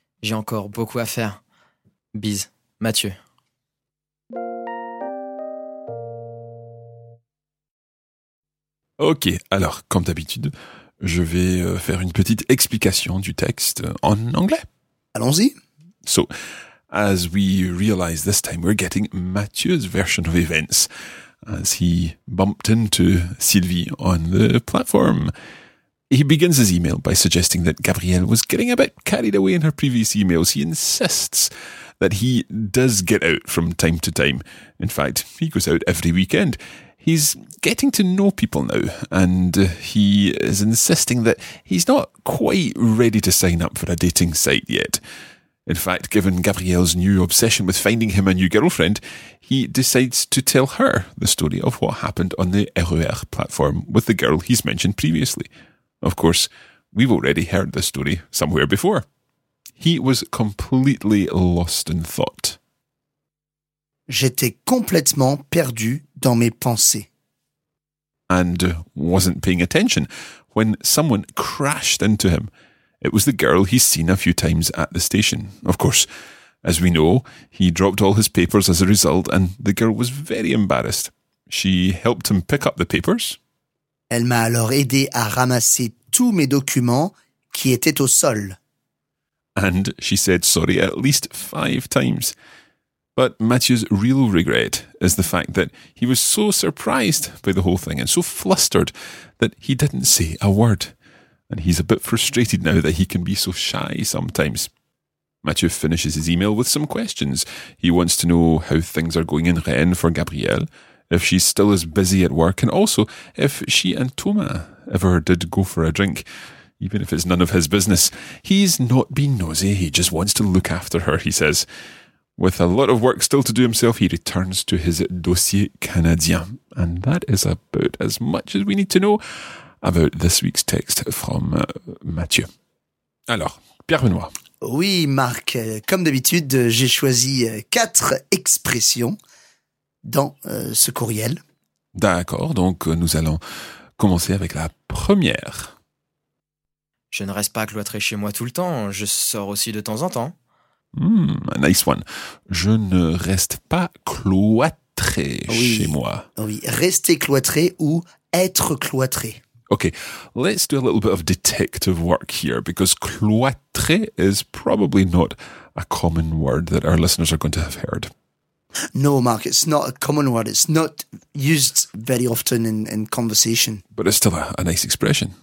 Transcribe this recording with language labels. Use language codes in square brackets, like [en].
[fr] J'ai encore beaucoup à faire. Bise, Mathieu. Ok, alors, comme d'habitude, je vais faire une petite explication du texte en anglais. Allons-y. [en] So, as we realize this time, we're getting Mathieu's version of events. As he bumped into Sylvie on the platform, he begins his email by suggesting that Gabrielle was getting a bit carried away in her previous emails. He insists that he does get out from time to time. In fact, he goes out every weekend. He's getting to know people now, and he is insisting that he's not quite ready to sign up for a dating site yet. In fact, given Gabrielle's new obsession with finding him a new girlfriend, he decides to tell her the story of what happened on the RER platform with the girl he's mentioned previously. Of course, we've already heard this story somewhere before. He was completely lost in thought. [fr] J'étais complètement perdu dans mes pensées. [en] And wasn't paying attention when someone crashed into him. It was the girl he's seen a few times at the station. Of course, as we know, he dropped all his papers as a result, and the girl was very embarrassed. She helped him pick up the papers. [fr] Elle m'a alors aidé à ramasser tous mes documents qui étaient au sol. [en] And she said sorry at least 5 times. But Mathieu's real regret is the fact that he was so surprised by the whole thing and so flustered that he didn't say a word. And he's a bit frustrated now that he can be so shy sometimes. Mathieu finishes his email with some questions. He wants to know how things are going in Rennes for Gabrielle, if she's still as busy at work, and also if she and Thomas ever did go for a drink. Even if it's none of his business, he's not being nosy, he just wants to look after her, he says. With a lot of work still to do himself, he returns to his dossier canadien. And that is about as much as we need to know about this week's text from Mathieu. [fr] Alors, Pierre-Benoît. Oui, Marc, comme d'habitude, j'ai choisi 4 expressions dans ce courriel. D'accord, donc nous allons commencer avec la première. Je ne reste pas cloîtré chez moi tout le temps, je sors aussi de temps en temps. [en] A nice one. [fr] Je ne reste pas cloîtré chez moi. Oui, rester cloîtré ou être cloîtré. [en] Okay, let's do a little bit of detective work here, because cloîtré is probably not a common word that our listeners are going to have heard. No, Mark, it's not a common word. It's not used very often in conversation. But it's still a nice expression.